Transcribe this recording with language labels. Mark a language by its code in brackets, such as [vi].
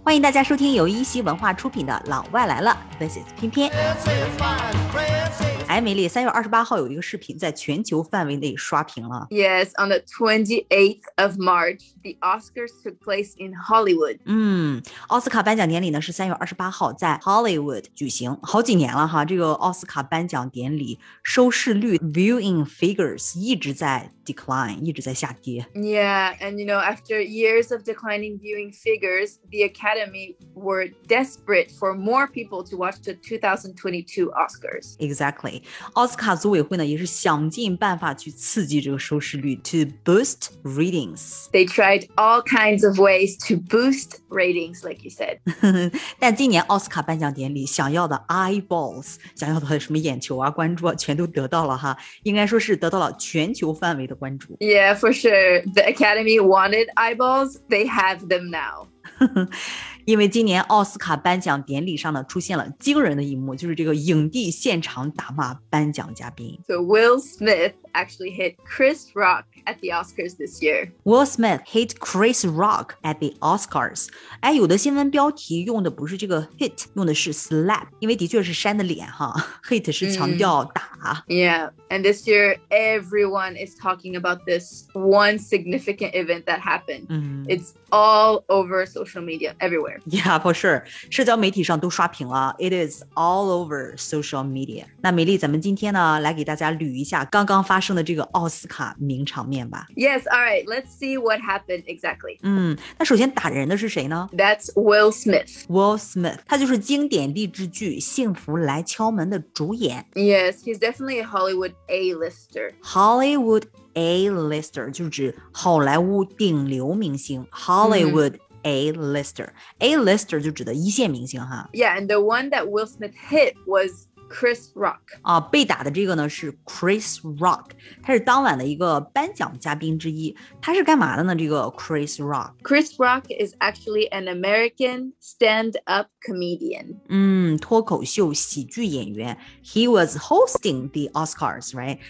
[zh] 欢迎大家收听由一席文化出品的《老外来了》。 [en] This is 翩翩。 [zh] 哎，梅丽，三月二十八号有一个视频在全球范围内刷屏了。 [en] Yes, on the 28th of March, the Oscars took place in Hollywood. [zh] 嗯，奥斯卡颁奖典礼呢是三月二十八号在 Hollywood 举行。好几年了哈，这个奥斯卡颁奖典礼收视率 [en] viewing figures [zh] 一直在 decline， 一直在下跌。 [en] Yeah, and you know, after years of declining viewing figures, the Academy were desperate for more people to watch the 2022 Oscars. Exactly. [zh] 奥斯卡组委会呢也是想尽办法去刺激这个收视率 [en] to boost ratings. They tried all kinds of ways to boost ratings, like you said. [zh] 但今年奥斯卡颁奖典礼想要的 eyeballs, 想要的什么眼球啊关注啊全都得到了哈，应该说是得到了全球范围的关注。 [en] Yeah, for sure. The Academy wanted eyeballs, they have them now. [zh] 因为今年奥斯卡颁奖典礼上呢出现了惊人的一幕，就是这个影帝现场打骂颁奖嘉宾。 [en] So Will Smith actually hit Chris Rock at the Oscars this year. Will Smith hit Chris Rock at the Oscars. [zh] 哎，有的新闻标题用的不是这个 hit， 用的是 slap， 因为的确是扇的脸哈。 Hit 是强调打。 [en] Yeah, and this year everyone is talking about this one significant event that happened. It's all over social media, everywhere. Yeah, for sure. [zh] 社交媒体上都刷屏了。 [en] It is all over social media. [zh] 那美丽，咱们今天呢，来给大家捋一下刚刚发生的这个奥斯卡名场面吧。 [en] Yes, all right. Let's see what happened exactly. [zh] 那首先打人的是谁呢？ [en] That's Will Smith. Will Smith. [zh] 他就是经典励志剧《幸福来敲门》的主演。 [en] Yes, he's definitely a Hollywood A-lister. [zh] Hollywood A-lister 就指好莱坞顶流明星。 [en] Hollywood A-lister. [zh] A-lister 就指的一线明星哈。 [en] Yeah, and the one that Will Smith hit was Chris Rock. [zh] 啊，被打的这个呢是 Chris Rock. 他是当晚的一个颁奖嘉宾之一。他是干嘛的呢？这个 Chris Rock. [en] Chris Rock is actually an American stand-up comedian. [zh] 脱口秀喜剧演员。 [en] He was hosting the Oscars, right?